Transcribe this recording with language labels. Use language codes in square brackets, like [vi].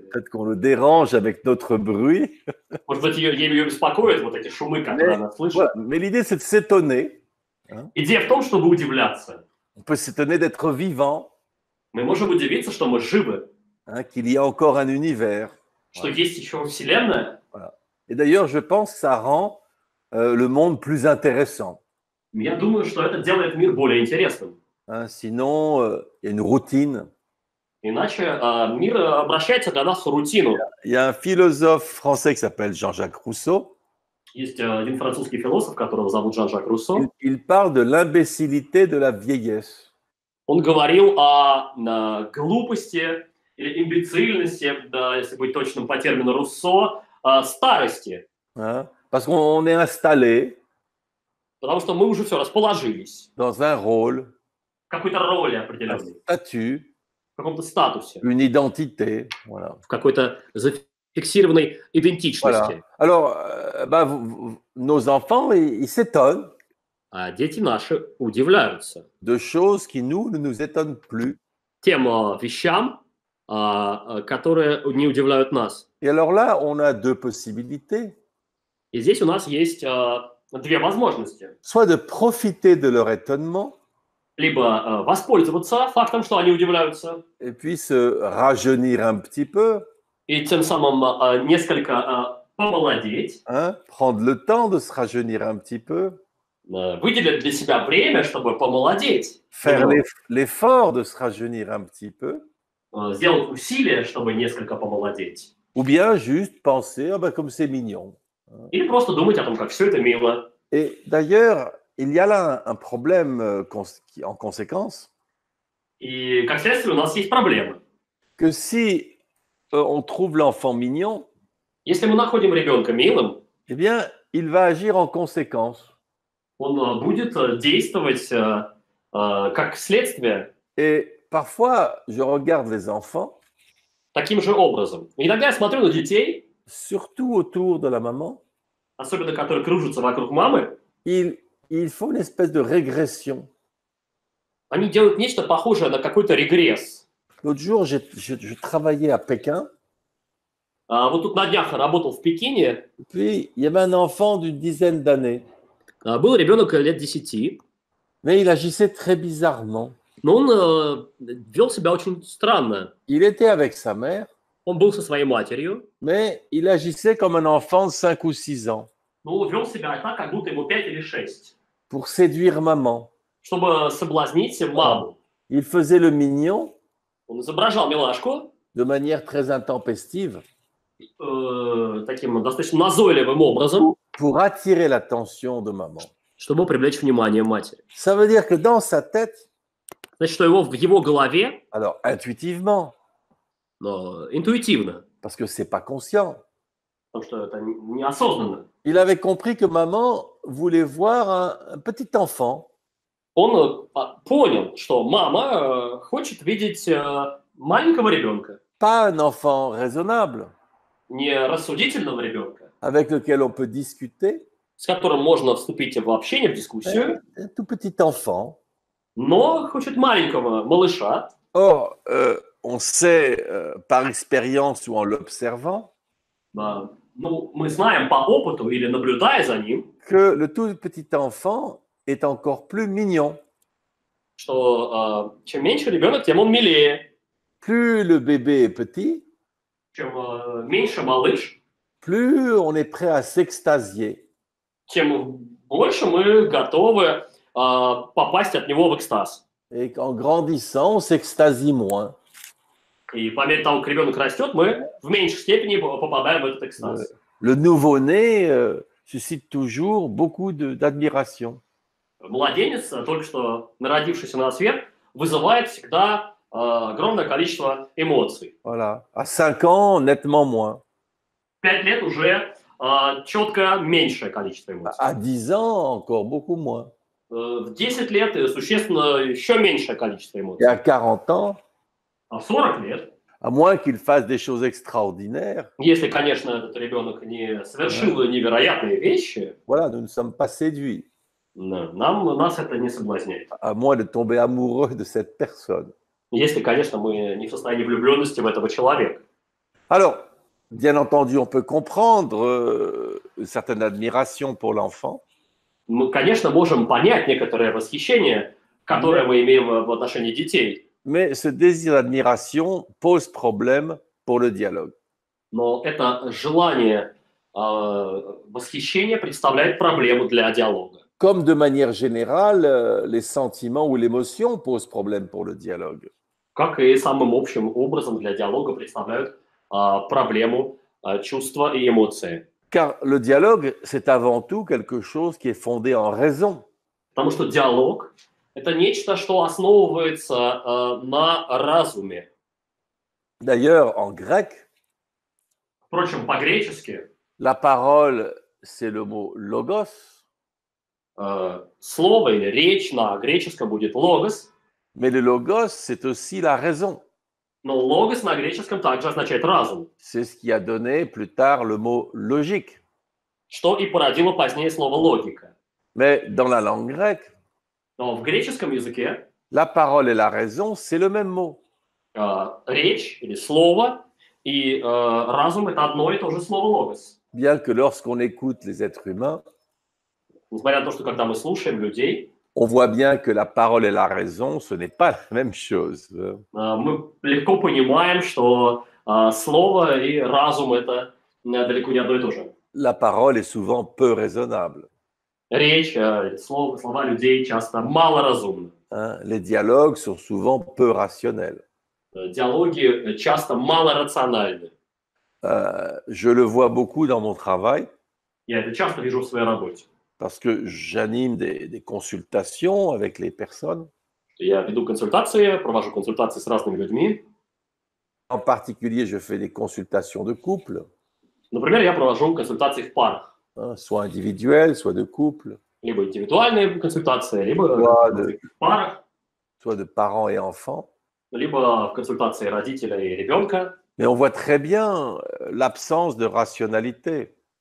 [fr] Peut-être qu'on le dérange avec notre bruit. [ru] Может быть, ей ее беспокоят вот эти шумы, которые она слышит. [fr] Mais l'idée, c'est de s'étonner. [ru] Идея в том, чтобы удивляться. [fr] On peut s'étonner d'être vivant. [ru] Мы можем удивиться, что мы живы. [fr] Qu'il y a encore un univers. [ru] Что есть еще вселенная. [fr] Voilà. Et d'ailleurs, je pense que ça rend le monde plus intéressant. [ru] Я думаю, что это делает мир более интересным. [fr] Sinon, il y a une routine. [ru] Иначе мир обращается для нас в рутину. [fr] Il y a un philosophe français qui s'appelle Jean-Jacques Rousseau. [ru] Есть один французский философ, которого зовут Жан-Жак Руссо. [fr] Il parle de l'imbécilité de la vieillesse. [ru] Он говорил о глупости или имбецильности, да, если быть точным по термину Руссо, старости. [fr] Parce qu'on est installé. [ru] Потому что мы уже все расположились. [fr] Dans un rôle. [ru] В какой-то роли определенной. [fr] Statut. [ru] В каком-то статусе. [fr] Une identité, voilà. [ru] В какой-то зафиксированной идентичности. [fr] Voilà. Alors, nos enfants, ils s'étonnent. [ru] А дети наши удивляются. [fr] De choses qui nous ne nous étonnent plus. [ru] Тем вещам, которые не удивляют нас. [fr] Et alors là, on a deux possibilités. [ru] И здесь у нас есть две возможности. [fr] Soit de profiter de leur étonnement. [ru] Либо воспользоваться фактом, что они удивляются. [fr] Et puis se rajeunir un petit peu. [ru] И тем самым несколько помолодеть. [fr] Prendre le temps de se rajeunir un petit peu. [ru] Выделить для себя время, чтобы помолодеть. [fr] Faire l'effort de se rajeunir un petit peu. [ru] Сделать усилие, чтобы несколько помолодеть. [fr] Ou bien juste penser, ah ben, comme c'est mignon. [ru] Или просто думать о том, как все это мило. [fr] Et d'ailleurs, il y a là un problème en conséquence. [ru] И как следствие, у нас есть проблемы. [fr] Que si on trouve l'enfant mignon, [ru] если мы находим ребенка милым, [fr] eh bien, il va agir en conséquence. [ru] Он будет действовать как следствие. [fr] Et parfois, je regarde les enfants. [ru] Таким же образом. Иногда я смотрю на детей. [fr] Surtout autour de la maman. [ru] Особенно, которые кружатся вокруг мамы. [fr] Il faut une espèce de régression. [ru] Они делают нечто похожее на какой-то регресс. [fr] L'autre jour, je travaillais à Pékin. [ru] Вот тут на днях работал в Пекине. [fr] Puis, il y avait un enfant d'une dizaine d'années. [ru] Был ребенок лет 10. [fr] Mais il agissait très bizarrement. [ru] Но он вел себя очень странно. [fr] Il était avec sa mère. [ru] Он был со своей матерью. [fr] Mais il agissait comme un enfant de 5 ou 6 ans. [ru] Но он вел себя так, как будто ему 5 или 6. [fr] Pour séduire maman. [ru] Чтобы соблазнить маму. [fr] Il faisait le mignon. [ru] Он изображал милашку. [fr] De manière très intempestive. [ru] Таким достаточно назойливым образом. [fr] Pour attirer l'attention de maman. [ru] Чтобы привлечь внимание матери. [fr] Ça veut dire que dans sa tête. [ru] Значит, что его, в его голове. [fr] Alors, intuitivement. [ru] Но интуитивно. [fr] Parce que c'est pas conscient. [ru] Потому что это неосознанно. [fr] Il avait compris que maman voulait voir un petit enfant. [ru] Он понял, что мама хочет видеть маленького ребенка. [fr] Pas un enfant raisonnable. [ru] Не рассудительного ребенка. [fr] Avec lequel on peut discuter. [ru] С которым можно вступить в общение, в дискуссию. [fr] Un tout petit enfant. [ru] Но хочет маленького малыша. [fr] Or, on sait par expérience ou en l'observant. [ru] Ну, мы знаем по опыту или наблюдая за ним. [fr] Que le tout petit enfant est encore plus mignon. [ru] Что чем меньше ребенок, тем он милее. [fr] Plus le bébé est petit. [ru] Чем меньше малыш. [fr] Plus on est prêt à s'extasier. [ru] Чем больше мы готовы попасть от него в экстаз. [fr] Et en grandissant, on s'extasie moins. [ru] И по мере того, как ребенок растет, мы в меньшей степени попадаем в этот экстаз. [fr] Le nouveau-né suscite toujours beaucoup d'admiration. [ru] Младенец, только что народившийся на свет, вызывает всегда огромное количество эмоций. [fr] Voilà. À 5 ans, nettement moins. [ru] 5 лет уже четко меньшее количество эмоций. [fr] À 10 ans, encore beaucoup moins. [ru] В 10 лет существенно еще меньшее количество эмоций. [fr] Et à 40 ans, à [ru] 40 лет, [fr] à moins qu'il fasse des choses extraordinaires. [ru] Если, конечно, этот ребенок не совершил невероятные вещи. [fr] Voilà, nous ne sommes pas séduits. [ru] Нам, нас это не соблазняет. [fr] À moins de tomber amoureux de cette personne. [ru] Если, конечно, мы не в состоянии влюбленности в этого человека. [fr] Alors, bien entendu, on peut comprendre une certaine admiration pour l'enfant. [ru] Мы, конечно, можем понять некоторое восхищение, которое мы имеем в отношении детей. [fr] Mais ce désir d'admiration pose problème pour le dialogue. [ru] Но это желание восхищения представляет проблему для диалога. [fr] Comme de manière générale, les sentiments ou l'émotion posent problème pour le dialogue. [ru] Как и самым общим образом для диалога представляют проблему чувства и эмоции. [fr] Car le dialogue, c'est avant tout quelque chose qui est fondé en raison. [ru] Потому что диалог – это нечто, что основывается на разуме. [fr] D'ailleurs, en grec, [ru] впрочем, по-гречески, [fr] la parole, c'est le mot « logos ». [ru] Слово или речь на греческом будет «logos». [fr] Mais le logos, c'est aussi la raison. [ru] Но логос на греческом также означает разум. [fr] C'est ce qui a donné plus tard le mot logique. [ru] Что и породило позднее слово логика. [fr] Mais dans la langue grecque. [ru] Но в греческом языке. [fr] La parole et la raison, c'est le même mot. [ru] Речь или слово и разум это одно и то же слово логос. [fr] Bien que lorsqu'on écoute les êtres humains. [ru] Несмотря на то, что когда мы слушаем людей. [fr] On voit bien que la parole et la raison, ce n'est pas la même chose. [ru] Мы легко понимаем, что слово и разум – это далеко не одно и то же. [fr] La parole est souvent peu raisonnable. [ru] Речь, слова людей часто малоразумны. [fr] Les dialogues sont souvent peu rationnels. [ru] Диалоги часто малорациональны. [fr] Je le vois beaucoup dans mon travail. [ru] Я это часто вижу в своей работе. [fr] Parce que j'anime des consultations avec les personnes. [ru] Я веду консультации, провожу консультации с разными людьми. [fr] En particulier, je fais des consultations de couple. [ru] Например, я провожу консультации в парах. [fr] Soit individuelles, soit de couple. [ru] Либо индивидуальные консультации, либо консультации в парах. [fr] Soit de parents et enfants. [ru] Либо консультации родителя и ребенка. [fr] Mais on voit très bien l'absence de rationalité.